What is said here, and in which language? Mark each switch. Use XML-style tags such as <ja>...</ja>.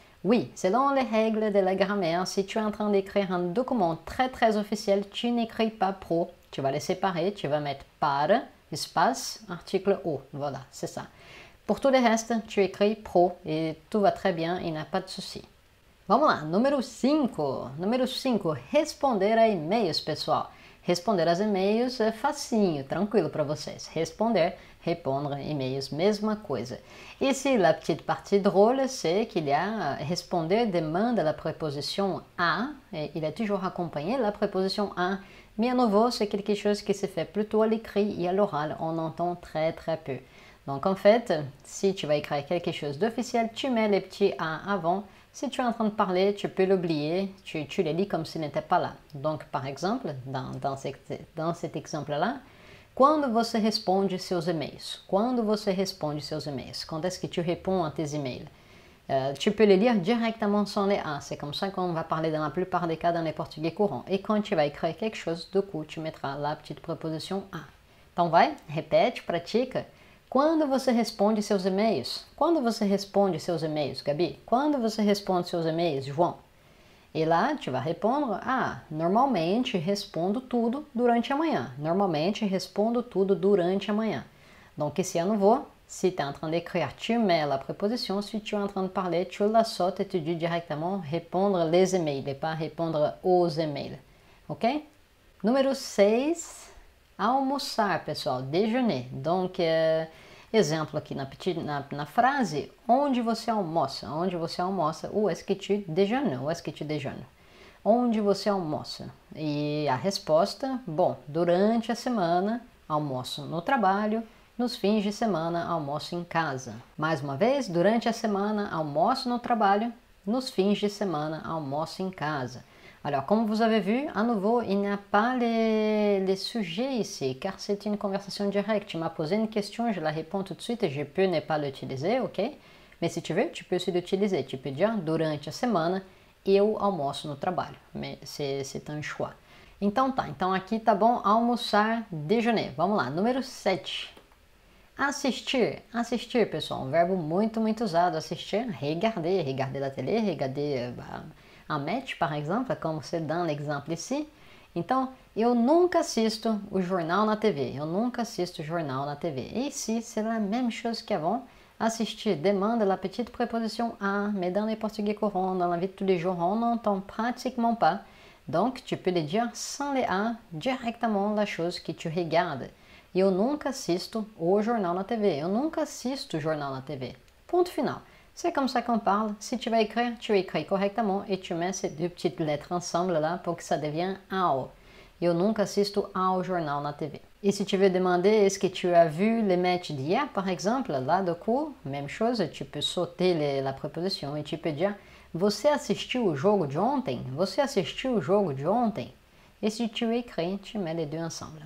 <fr>Oui, selon les règles de la grammaire, si tu es en train d'écrire un document très très officiel, tu n'écris pas pro. Tu vas les séparer, tu vas mettre par, espace, article O. Voilà, c'est ça. Pour tout le reste, tu écris pro et tout va très bien, il n'y a pas de souci.</fr> <pt>Vamos lá, número 5. Número 5, responder a e-mails, pessoal. Responder aos e-mails é facinho, tranquilo para vocês. Responder, répondre, e-mails, mesma coisa.</pt> <fr>Ici, la petite partie drôle, c'est qu'il y a responder demande la préposition à, et il est toujours accompagné la préposition à. Mais à nouveau, c'est quelque chose qui se fait plutôt à l'écrit et à l'oral. On entend très très peu. Donc en fait, si tu vas écrire quelque chose d'officiel, tu mets les petits A avant. Si tu es en train de parler, tu peux l'oublier. Tu les lis comme s'ils n'étaient pas là. Donc par exemple, dans cet exemple-là,</fr> <pt>quando você responde seus e-mails? Quando você responde seus e-mails?</pt> <fr>Quand est-ce que tu réponds à tes e-mails? Tu peux les lire directement sans les A. C'est comme ça qu'on va parler dans la plupart des cas dans les portugais courants. Et quand tu vas écrire quelque chose, du coup, tu mettras la petite préposition A.</fr> <pt>Então vai,</pt> <fr>répète, pratique.</fr> <pt>Quando você responde seus e-mails? Quando você responde seus e-mails, Gabi? Quando você responde seus e-mails, João? E lá,</pt> <fr>tu vas répondre,</fr> <pt>ah, normalmente respondo tudo durante a manhã. Normalmente respondo tudo durante a manhã.</pt> <fr>Donc, ici, à nouveau, si tu es en train d'écrire, tu mets la préposition. Si tu es en train de parler, tu la sautes et tu dis directement répondre les emails et pas répondre aux emails.</fr> <pt>OK? Número 6, almoçar, pessoal, déjeuner.</pt> <fr>Donc, exemple</fr> <pt>aqui na frase, onde você almoça? Onde você almoça?</pt> <fr>Où est-ce que tu déjeunes? Où est-ce que tu déjeunes?</fr> <pt>Onde você almoça? E a resposta, bom, durante a semana, almoço no trabalho. Nos fins de semana, almoço em casa. Mais uma vez, durante a semana, almoço no trabalho. Nos fins de semana, almoço em casa.</pt> <fr>Alors, comme vous avez vu, à nouveau, il n'y a pas les sujets ici, car c'est une conversation directe. Tu m'as posé une question, je la réponds tout de suite et je peux ne pas l'utiliser, ok? Mais si tu veux, tu peux aussi l'utiliser. Tu peux dire,</fr> <pt>durante a semana, eu almoço no trabalho.</pt> <fr>Mais c'est un choix.</fr> <pt>Então tá, então aqui tá bom, almoçar, déjeuner. Vamos lá, número 7. Assistir, assistir, pessoal, um verbo muito, muito usado.</pt> <fr>Assistir, regarder, regarder la télé, regarder un match, par exemple, comme c'est dans l'exemple ici.</fr> <pt>Então, eu nunca assisto o jornal na TV. Eu nunca assisto o jornal na TV.</pt> <fr>Ici, c'est la même chose qu'avant. Assistir demande la petite préposition à, mais dans les portugais courants, dans la vie de tous les jours, on n'entend pratiquement pas. Donc, tu peux le dire sans les à, directement la chose que tu regardes.</fr> <pt>Eu nunca assisto o jornal na TV. Eu nunca assisto o jornal na TV. Ponto final.</pt> <fr>C'est comme ça qu'on parle. Si tu vas écrire, tu écris correctement et tu mets ces deux petites lettres ensemble là pour que ça devienne ao.</fr> <pt>Eu nunca assisto ao jornal na TV.</pt> <fr>Et si tu veux demander, est-ce que tu as vu les matchs d'hier, par exemple, là du coup, même chose, tu peux sauter la préposition et tu peux dire,</fr> <pt>você assistiu o jogo de ontem? Você assistiu o jogo de ontem?</pt> <fr>Et si tu écris, tu mets les deux ensemble.</fr>